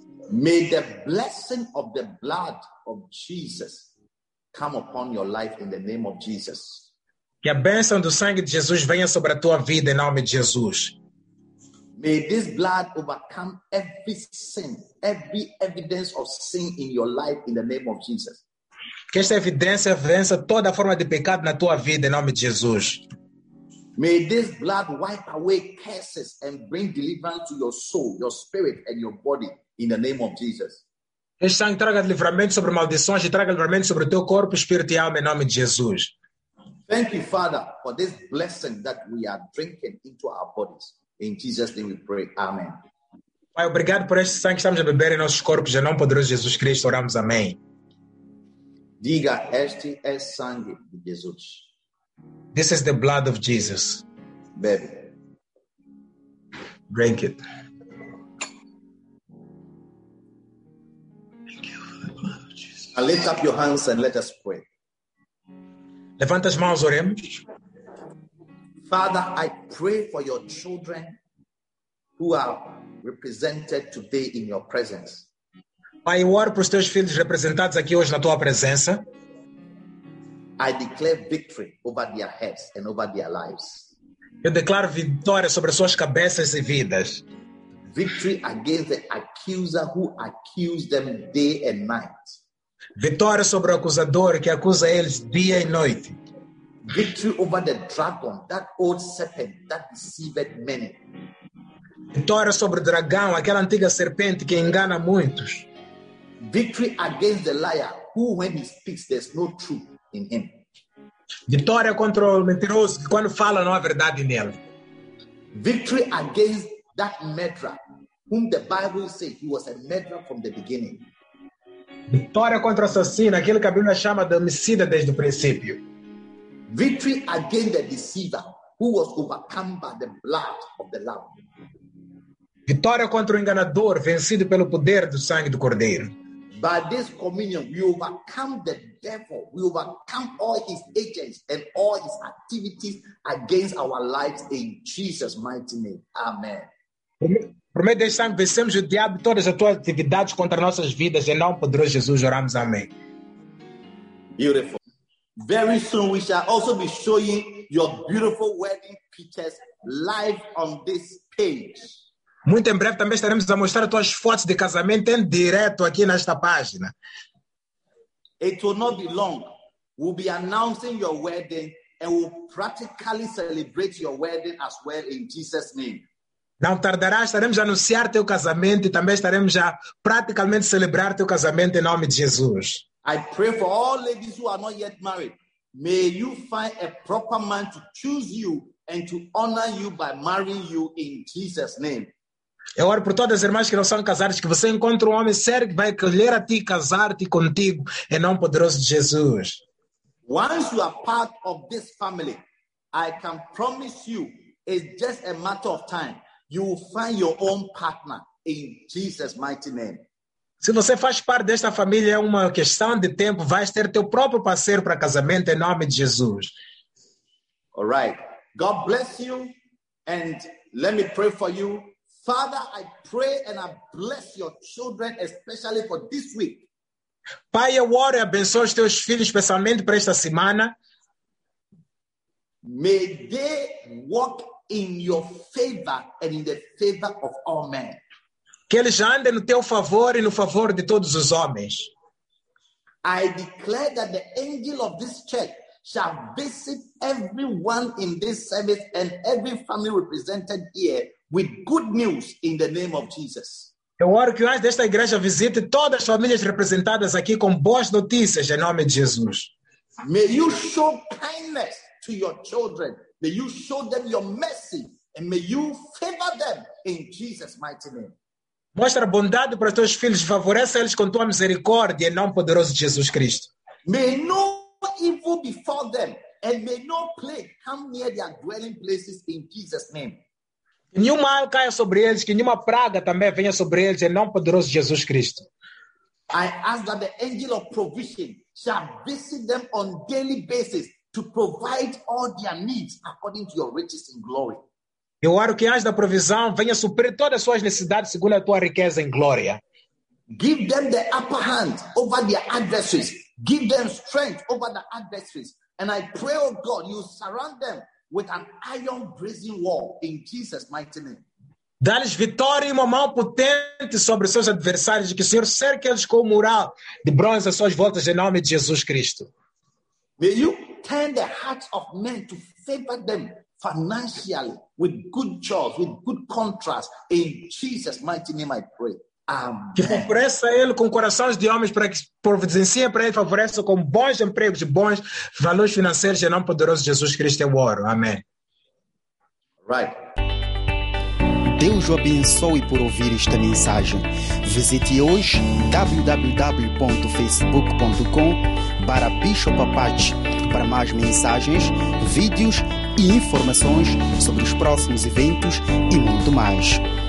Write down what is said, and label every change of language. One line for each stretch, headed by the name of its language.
English: May the blessing of the blood of Jesus come upon your life in the name of Jesus.
Portuguese: Que a bênção do sangue de Jesus venha sobre a tua vida em nome de Jesus.
English: May this blood overcome every sin, every evidence of sin in your life in the name of Jesus.
Portuguese: Que esta evidência vença toda forma de pecado na tua vida, em nome de Jesus.
English: May this blood wipe away curses and bring deliverance to your soul, your spirit, and your body, in the name of Jesus.
Portuguese: Que este sangue traga livramento sobre maldições e traga livramento sobre o teu corpo, espírito e alma, em nome de Jesus.
English: Thank you, Father, for this blessing that we are drinking into our bodies. In Jesus' name we pray. Amen.
Portuguese: Pai, obrigado por este sangue que estamos a beber em nossos corpos. Em nome poderoso de Jesus Cristo, oramos. Amém. Diga, este é sangue de Jesus.
English: This is the blood of Jesus.
Portuguese: Bebe.
English: Drink it. And lift up your hands and let us pray.
Portuguese: Levanta as mãos, oremos.
English: Father, I pray for your children who are represented today in your presence.
Portuguese: Pai, eu oro para os teus filhos representados aqui hoje na tua presença.
English: I declare victory over their heads and over their lives.
Portuguese: Eu declaro vitória sobre as suas cabeças e vidas.
English: Victory against the accuser who accuses them day and night.
Portuguese: Vitória sobre o acusador que acusa eles dia e noite.
English: Victory over the dragon, that old serpent that deceived many.
Portuguese: Vitória sobre o dragão, aquela antiga serpente que engana muitos.
English: Victory against the liar who when he speaks there's no truth in him.
Portuguese: Vitória contra o mentiroso que quando fala não há verdade nele.
English: Victory against that murderer whom the Bible says he was a murderer from the beginning.
Portuguese: Vitória contra o assassino, aquele que a Bíblia chama de homicida desde o princípio.
English: Victory against the deceiver who was overcome by the blood of the Lamb.
Portuguese: Vitória contra o enganador, vencido pelo poder do sangue do Cordeiro.
English: By this communion, we overcome the devil. We overcome all his agents and all his activities against our lives in Jesus' mighty name. Amen.
Portuguese: Por meio deste sangue, vencemos o diabo e todas as tuas atividades contra nossas vidas. Em nome poderoso Jesus, oramos. Amém.
English: Beautiful. Very soon, we shall also be showing your beautiful wedding pictures live on this page.
Portuguese: Muito em breve também estaremos a mostrar as tuas fotos de casamento em direto aqui nesta página.
English: It will not be long. We'll be announcing your wedding and we'll practically celebrate your wedding as well in Jesus' name.
Portuguese: Não tardará, estaremos a anunciar teu casamento e também estaremos a praticamente celebrar teu casamento em nome de Jesus.
English: I pray for all ladies who are not yet married. May you find a proper man to choose you and to honor you by marrying you in Jesus' name.
Portuguese: Eu oro por todas as irmãs que não são casadas, que você encontre um homem sério que vai acolher a ti, casar-te contigo, em nome poderoso de Jesus.
English: Once you are part of this family, I can promise you, it's just a matter of time, you will find your own partner in Jesus' mighty name.
Portuguese: Se você faz parte desta família, é uma questão de tempo, vais ter teu próprio parceiro para casamento, em nome de Jesus.
English: All right. God bless you, and let me pray for you. Father, I pray and I bless your children, especially for this week.
Portuguese: Pai, eu oro e abençoo os teus filhos, especialmente para esta semana.
English: May they walk in your favor and in the favor of all men.
Portuguese: Que eles andem no teu favor e no favor de todos os homens.
English: I declare that the angel of this church shall visit everyone in this service and every family represented here with good news in the name of Jesus.
Portuguese: Eu oro que o anjo desta igreja visite todas as famílias representadas aqui com boas notícias em nome de Jesus.
English: May you show kindness to your children. May you show them your mercy. And may you favor them in Jesus' mighty name.
Portuguese: Mostra bondade para os teus filhos. Favoreça eles com tua misericórdia em nome poderoso de Jesus Cristo.
English: May no evil befall them. And may no plague come near their dwelling places in Jesus' name.
Portuguese: Que nenhum mal caia sobre eles, que nenhuma praga também venha sobre eles, em nome poderoso Jesus Cristo.
English: I ask that the angel of provision shall visit them on daily basis to provide all their needs according to your riches in glory.
Portuguese: Eu oro que o anjo da provisão venha suprir todas as suas necessidades segundo a tua riqueza em glória.
English: Give them the upper hand over their adversaries. Give them strength over their adversaries. And I pray, oh God, you surround them with an iron brazen wall in Jesus' mighty name.
Portuguese: Dá-lhes vitória e uma mão potente sobre seus adversários, que o Senhor cerque eles com o mural de bronze às suas voltas, em nome de Jesus Cristo.
English: May you turn the hearts of men to favor them financially, with good jobs, with good contracts, in Jesus' mighty name I pray.
Portuguese: Que favoreça ele com corações de homens para que providencie para ele, favoreça com bons empregos, bons valores financeiros, e não poderoso Jesus Cristo eu oro. Amém.
English: Right.
Portuguese: Deus o abençoe por ouvir esta mensagem. Visite hoje www.facebook.com/bishopapache para mais mensagens, vídeos e informações sobre os próximos eventos e muito mais.